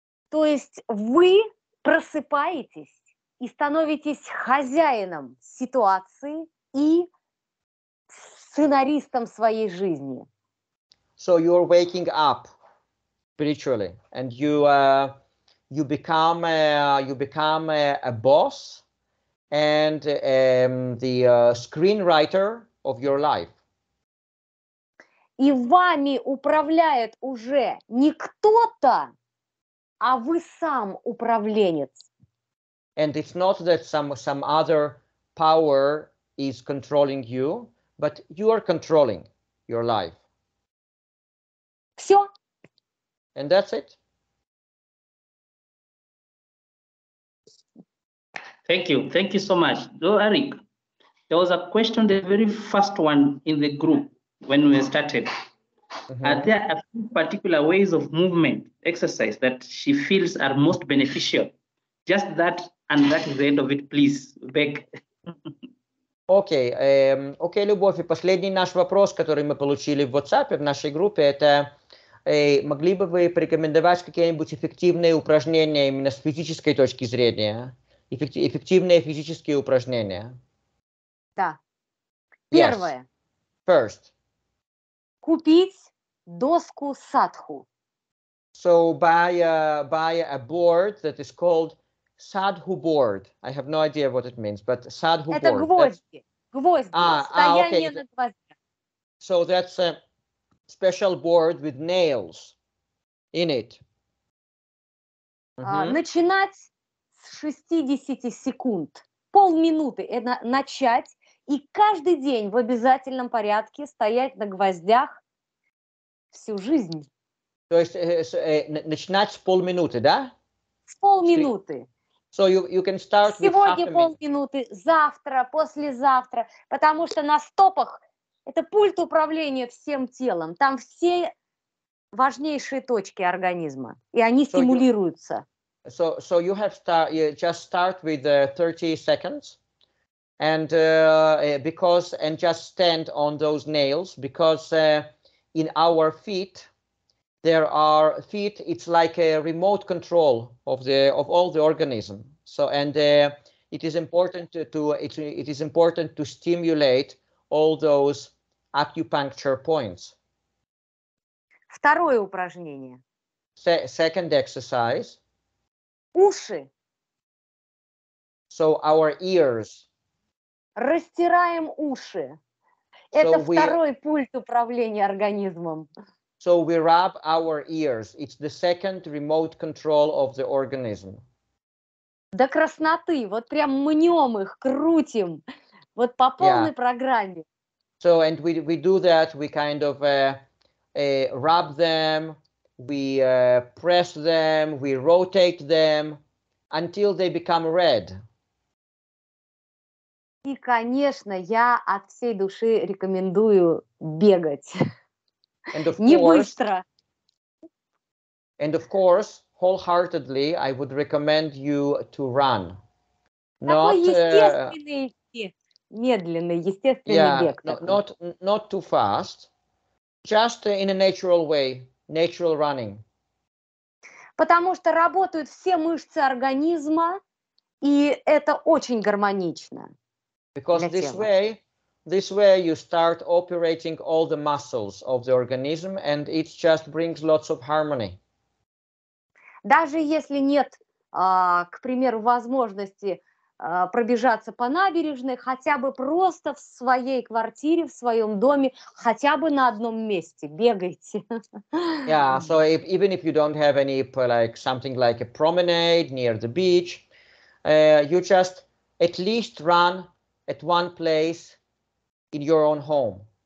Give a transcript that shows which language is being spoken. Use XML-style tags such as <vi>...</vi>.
<ru>То есть вы просыпаетесь и становитесь хозяином ситуации и сценаристом своей жизни.</ru> <en>So you're waking up spiritually, and you become a boss and the screenwriter of your life.</en> <ru>И вами управляет уже не кто-то, а вы сам управленец.</ru> <en>And it's not that some other power is controlling you, but you are controlling your life.</en> <ru>Все.</ru> <en>And that's it. Thank you so much. So, Eric, there was a question, the very first one in the group when we started. Mm-hmm. Are there a few particular ways of movement, exercise, that she feels are most beneficial? Just that, and that is the end of it, please, beg.</en> <ru>Okay, okay, Любовь, и последний наш вопрос, который мы получили в WhatsApp, в нашей группе, это могли бы вы порекомендовать какие-нибудь эффективные упражнения именно с физической точки зрения? Эффективные физические упражнения. Да. Первое.</ru> <en>Yes. First.</en> <ru>Купить доску садху.</ru> <en>So buy a board that is called садху board. I have no idea what it means, but садху board.</en> <ru>Это гвозди.</ru> <en>That's...</en> <ru>Гвозди. Стояние okay. На гвозди.</ru> <en>So that's a special board with nails in it.</en> <ru>Mm-hmm. Начинать. 60 секунд, полминуты начать и каждый день в обязательном порядке стоять на гвоздях всю жизнь. То есть начинать с полминуты, да? С полминуты.</ru> <en>So you can start</en> <ru>сегодня полминуты, завтра, послезавтра, потому что на стопах это пульт управления всем телом, там все важнейшие точки организма, и они стимулируются.</ru> <en>So you have just start with 30 seconds, and just stand on those nails, because in our feet there are feet. It's like a remote control of all the organism. So and it is important to stimulate all those acupuncture points.</en> <ru>Второе упражнение.</ru> <en>Second exercise.</en> <ru>Уши.</ru> <en>So our ears.</en> <ru>Растираем уши. Это второй пульт управления организмом.</ru> <en>So we rub our ears. It's the second remote control of the organism.</en> <ru>До красноты. Вот прям мнем их, крутим. Вот по полной программе.</ru> <en>So and we do that. We kind of rub them. We press them, we rotate them until they become red.</en> <ru>И, конечно, я от всей души рекомендую бегать. Не быстро.</ru> <en>And of course, wholeheartedly, I would recommend you to run.</en> <ru>Такой естественный, медленный, естественный бег.</ru> <en>Not too fast, just in a natural way. Natural running.</en> <ru>Потому что работают все мышцы организма, и это очень гармонично.</ru> <en>Because this way you start operating all the muscles of the organism, and it just brings lots of harmony.</en> <ru>Даже если нет, к примеру, возможности пробежаться по набережной, хотя бы просто в своей квартире, в своем доме, хотя бы на одном месте бегайте.</ru> <en>Yeah, so even if you don't have any like something like a promenade near the beach, you just at least run at one place in your own home.</en>